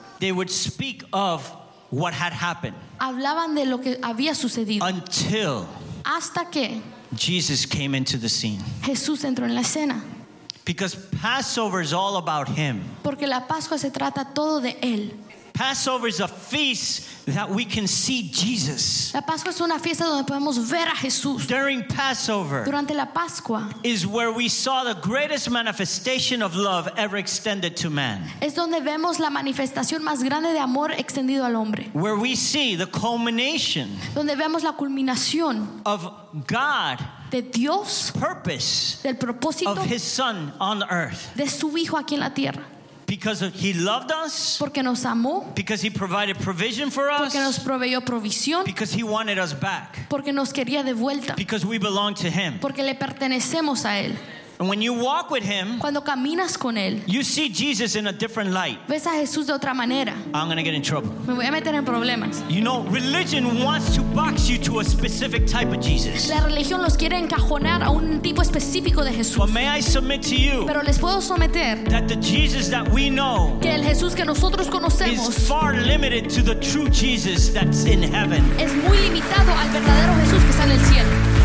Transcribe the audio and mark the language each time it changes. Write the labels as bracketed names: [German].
[English] They would speak of what had happened. [Spanish] Hablaban de lo que había sucedido. [English] Until. [Spanish] Hasta que. [English] Jesus came into the scene. [Spanish] Jesús entró en la escena. [English] Because Passover is all about him. [Spanish] Porque la Pascua se trata todo de él. [English] Passover is a feast that we can see Jesus. [Spanish] La Pascua es una fiesta donde podemos ver a Jesús. [English] During Passover, [Spanish] durante la Pascua, [English] is where we saw the greatest manifestation of love ever extended to man. [Spanish] Es donde vemos la manifestación más grande de amor extendido al hombre. [English] Where we see the culmination, [Spanish] donde vemos la culminación, [English] of God. [Spanish] De Dios, [English] purpose, [Spanish] del propósito, [English] of his son on earth, [Spanish] de su hijo aquí en la tierra. [English] Because he loved us. [Spanish] Porque nos amó. [English] Because he provided provision for us. [Spanish] Porque nos proveyó provisión. [English] Because he wanted us back. [Spanish] Porque nos quería de vuelta. [English] Because we belong to him. [Spanish] Porque le pertenecemos a él. [English] And when you walk with him, [Spanish] cuando caminas con él, [English] you see Jesus in a different light. [Spanish] Ves a Jesús de otra manera. [English] I'm going to get in trouble. [Spanish] Me voy a meter en problemas. [English] You know, religion wants to box you to a specific type of Jesus. [Spanish] La religión los quiere encajonar a un tipo específico de Jesús. [English] But may I submit to you, [Spanish] pero les puedo someter, [English] that the Jesus that we know, [Spanish] que el Jesús que nosotros conocemos, [English] is far limited to the true Jesus that's in heaven. [Spanish] Es muy limitado al verdadero Jesús que está en el cielo.